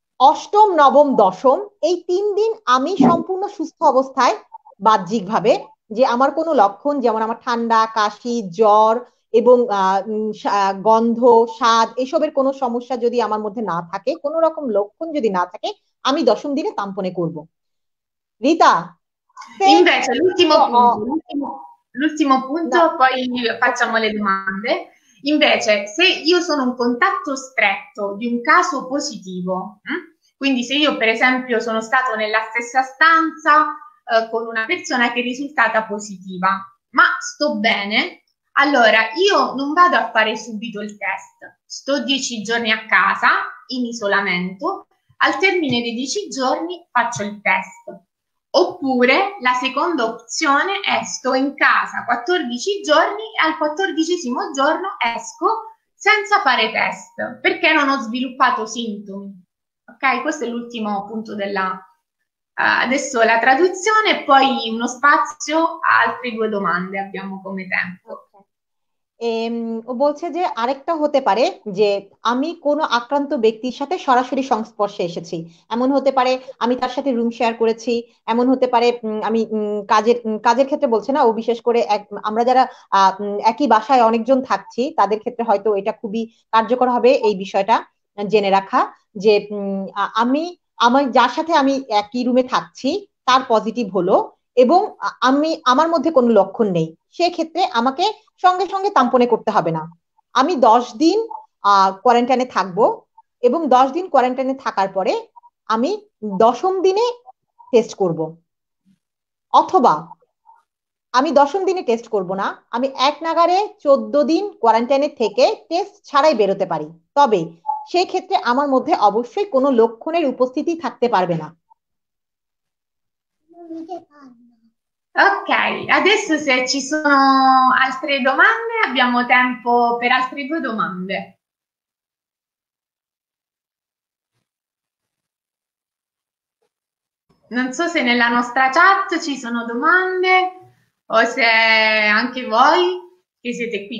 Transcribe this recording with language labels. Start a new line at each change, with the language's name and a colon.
Bangla: অষ্টম, নবম, দশম, এই 3 দিন আমি সম্পূর্ণ সুস্থ অবস্থায়, বাহ্যিকভাবে, যে আমার কোনো লক্ষণ, যেমন আমার ঠান্ডা, কাশি, জ্বর এবং গন্ধ, স্বাদ, এসবের কোনো সমস্যা যদি আমার মধ্যে না থাকে, কোনো রকম লক্ষণ যদি না থাকে, আমি 10ম দিনে তাম্পনে করব। রিতা, সে
Italian: Invece, l'ultimo no punto, l'ultimo no punto, poi facciamo le domande. Invece, se io sono un contatto stretto di un caso positivo, quindi se io per esempio sono stato nella stessa stanza con una persona che è risultata positiva, ma sto bene, allora io non vado a fare subito il test, sto 10 giorni a casa in isolamento, al termine dei 10 giorni faccio il test. Oppure la seconda opzione è sto in casa 14 giorni e al 14° giorno esco senza fare test perché non ho sviluppato sintomi. Ok, questo è l'ultimo punto della adesso la traduzione e poi uno spazio a altre due domande abbiamo come tempo. Okay.
Bangla: ও বলছে যে আরেকটা হতে পারে যে আমি কোনো আক্রান্ত ব্যক্তির সাথে সরাসরি সংস্পর্শে এসেছি, এমন হতে পারে আমি তার সাথে রুম শেয়ার করেছি, এমন হতে পারে আমি কাজের কাজের ক্ষেত্রে বলছে না, ও বিশেষ করে আমরা যারা একই বাসায় অনেকজন থাকছি তাদের ক্ষেত্রে হয়তো এটা খুবই কার্যকর হবে এই বিষয়টা জেনে রাখা, যে আমি আমার যার সাথে আমি একই রুমে থাকছি তার পজিটিভ হলো এবং আমি আমার মধ্যে কোনো লক্ষণ নেই, সেক্ষেত্রে আমাকে সঙ্গে সঙ্গে তাম্পনে করতে হবে না। আমি 10 দিন কোয়ারেন্টাইনে থাকব এবং 10 দিন কোয়ারেন্টাইনে থাকার পরে আমি 10ম দিনে টেস্ট করব, অথবা আমি 10ম দিনে টেস্ট করব না, আমি এক নাগাড়ে 14 দিন কোয়ারেন্টাইনে থেকে টেস্ট ছাড়াই বেরোতে পারি, তবে সেক্ষেত্রে আমার মধ্যে অবশ্যই কোনো লক্ষণের উপস্থিতি থাকতে পারবে না।
Italian: Ok, adesso se ci sono altre domande, abbiamo tempo per altre 2 domande. Non so se nella nostra chat ci sono domande o se anche voi che siete qui